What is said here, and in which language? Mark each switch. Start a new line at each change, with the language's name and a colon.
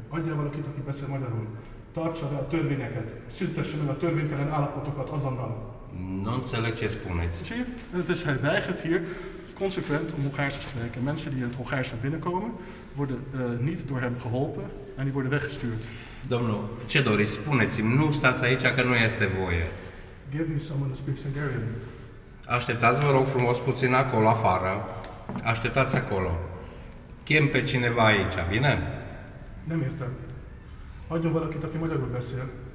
Hungarian: Adjál valakit, aki beszél magyarul. Tartsa be a törvényeket. Szüntesse meg a törvénytelen állapotokat azonnal.
Romanian: Nu înțeleg ce spuneți.
Dutch: Het is hij weigert hier consequent om Hongaars te spreken. Mensen die in het Hongaars naar binnen komen, worden niet door hem geholpen en die worden weggestuurd.
Romanian: Domnul, ce doriți? Spuneți-mi, nu stați aici, că nu este voie.
English: Give me someone who speaks Hungarian.
Romanian: Așteptați-vă, rog frumos, puțin acolo, afară. Așteptați acolo. Chem pe cineva aici, bine?
Hungarian: Nem értem. Adjon valakit, aki magyarul beszél.